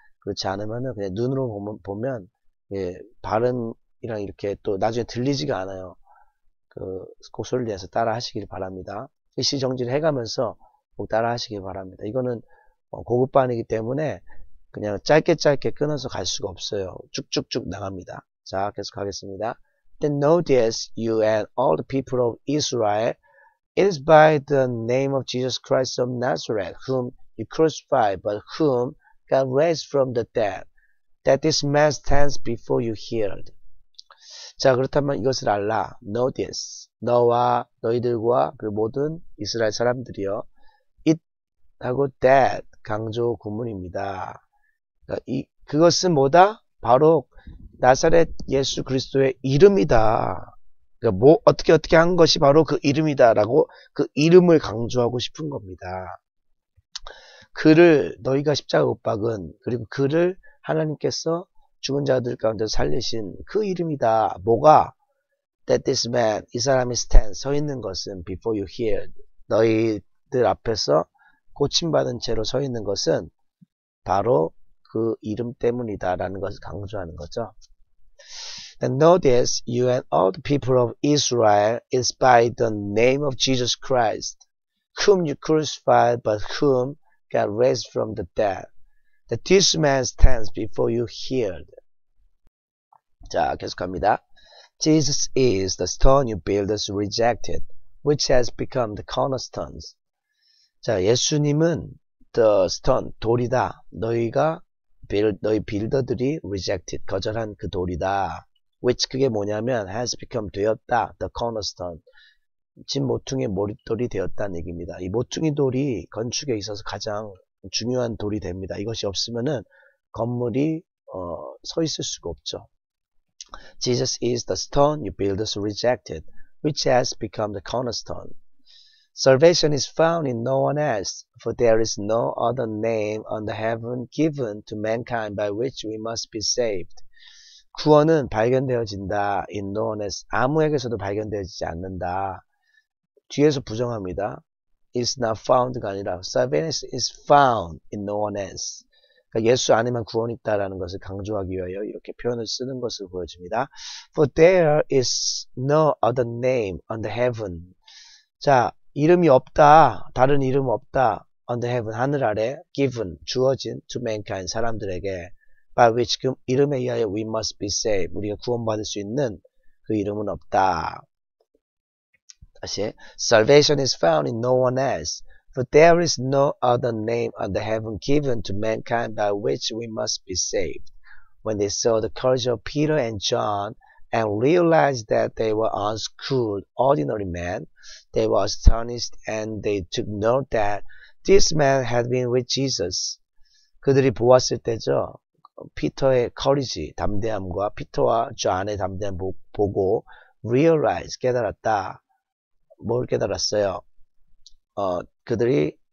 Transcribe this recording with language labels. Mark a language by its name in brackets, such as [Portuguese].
[Korean] 그렇지 않으면은 그냥 눈으로 보면 예, 발음이랑 이렇게 또 나중에 들리지가 않아요. 꼭 소리를 내서 따라 하시길 바랍니다. 일시정지를 해가면서 꼭 따라 하시길 바랍니다. 이거는 고급반이기 때문에 그냥 짧게 끊어서 갈 수가 없어요. 쭉쭉쭉 나갑니다. 자, 계속하겠습니다. [English] Then know this, you and all the people of Israel, it is by the name of Jesus Christ of Nazareth, whom you crucified, but whom God raised from the dead, that this man stands before you healed. [Korean] 자, 그렇다면 이것을 알라. [English] Know this. [Korean] 너와 너희들과 그 모든 이스라엘 사람들이여. It하고 that 강조 구문입니다. 그것은 뭐다? 바로 나사렛 예수 그리스도의 이름이다. 어떻게 한 것이 바로 그 이름이다라고 그 이름을 강조하고 싶은 겁니다. 그를 너희가 십자가 못 박은 그리고 그를 하나님께서 죽은 자들 가운데 살리신 그 이름이다. 뭐가? [English] That this man, [Korean] 이 사람이 [English] stand, [Korean] 서 있는 것은 [English] before you healed. [Korean] 너희들 앞에서 고침받은 채로 서 있는 것은 바로 그 이름 때문이다라는 것을 강조하는 거죠. [English] And know this, you and all the people of Israel, is by the name of Jesus Christ, whom you crucified, but whom God raised from the dead, that this man stands before you healed. [Korean] 자, 계속합니다. [English] Jesus is the stone you builders rejected, which has become the cornerstones. [Korean] 자, 예수님은 the stone, 돌이다. 너희 빌더들이 rejected, 거절한 그 돌이다. [English] which [Korean] 그게 뭐냐면 [English] has become [Korean] 되었다, [English] the cornerstone. [Korean] 집 모퉁이의 머릿돌이 되었다는 얘기입니다. 이 모퉁이 돌이 건축에 있어서 가장 중요한 돌이 됩니다. 이것이 없으면은 건물이 서 있을 수가 없죠. [English] Jesus is the stone you builders rejected, which has become the cornerstone. Salvation is found in no one else, for there is no other name under heaven given to mankind by which we must be saved. [Korean] 구원은 발견되어진다. [English] In no one else. [Korean] 아무에게서도 발견되어지지 않는다. 뒤에서 부정합니다. [English] Is not found [Korean] 가 아니라 [English] Salvation is found in no one else. [Korean] 그러니까 예수 안에만 구원이 있다라는 것을 강조하기 위하여 이렇게 표현을 쓰는 것을 보여줍니다. [English] For there is no other name under heaven. [Korean] 자, 이름이 없다. 다른 이름 없다. [English] Under heaven, [Korean] 하늘 아래. [English] Given, [Korean] 주어진 [English] to mankind, [Korean] 사람들에게. [English] By which [Korean] 그 이름에 의하여 [English] we must be saved. [Korean] 우리가 구원받을 수 있는 그 이름은 없다. [English] 다시. Salvation is found in no one else. For there is no other name under heaven given to mankind by which we must be saved. When they saw the courage of Peter and John and realized that they were unschooled, ordinary men, they were astonished and they took note that this man had been with Jesus. [Korean] 그들이 보았을 때죠. 피터의 커리지, 담대함과 피터와 존의 담대함 보고 realize, 깨달았다. 뭘 깨달았어요? 그들이